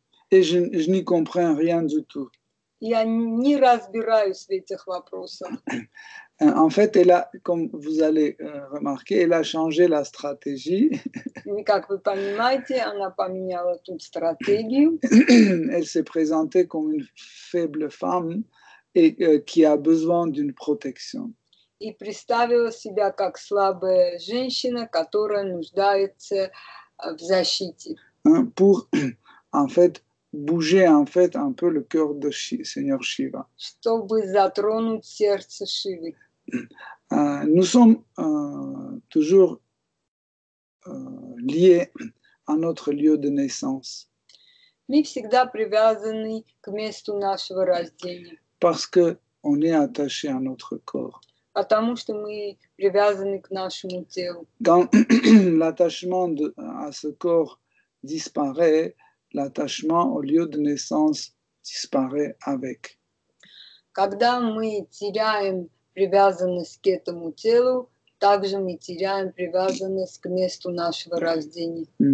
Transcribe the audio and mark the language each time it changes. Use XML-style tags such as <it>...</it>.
<fr>Et je n'y comprends rien du tout.</fr> <ru>Я не разбираюсь в этих вопросах.</ru> <fr>En fait, elle a, comme vous allez remarquer, elle a changé la stratégie.</fr> <ru>Как вы понимаете, она поменяла ту стратегию.</ru> <fr>Elle s'est présentée comme une faible femme et qui a besoin d'une protection.</fr> <ru>И представила себя как слабая женщина, которая нуждается в защите.</ru> <fr>Pour en fait bouger en fait un peu le cœur de Seigneur Shiva.</fr> <ru>Чтобы затронуть сердце Шивы.</ru> <fr>Nous sommes toujours liés à notre lieu de naissance.</fr> <ru>Мы всегда привязаны к месту нашего рождения.</ru> <fr>Parce que on est attaché à notre corps.</fr> <ru>Потому что мы привязаны к нашему телу.</ru> <fr>Quand l'attachement à ce corps disparaît, l'attachement au lieu de naissance disparaît avec.</fr> <ru>Когда мы теряем привязанность к этому телу, также мы теряем привязанность к месту нашего рождения.</ru>